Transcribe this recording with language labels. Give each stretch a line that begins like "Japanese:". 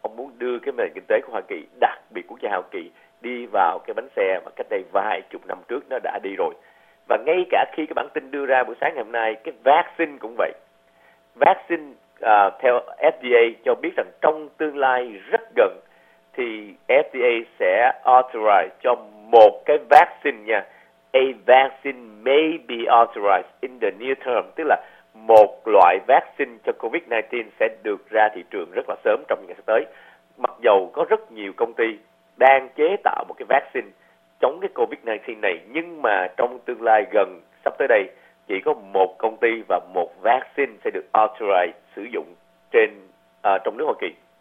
Vietnamese: Ông muốn đưa cái nền kinh tế của Hoa Kỳ, đặc biệt quốc gia Hoa Kỳ, đi vào cái bánh xe mà cách đây vài chục năm trước nó đã đi rồi. Và ngay cả khi cái bản tin đưa ra buổi sáng ngày hôm nay, cái vaccine cũng vậy. Vaccine theo FDA cho biết rằng trong tương lai rất gần thì FDA sẽ authorize cho một cái vaccine nha.
English: A vaccine may be authorized in the near term.
Vietnamese: Tức là một loại vaccine cho COVID-19 sẽ được ra thị trường rất là sớm trong ngày sắp tới. Mặc dầu có rất nhiều công ty đang chế tạo một cái vaccine chống cái COVID-19 này, nhưng mà trong tương lai gần sắp tới đây, chỉ có một công ty và một vaccine sẽ được authorized sử dụng trên trong nước Hoa Kỳ.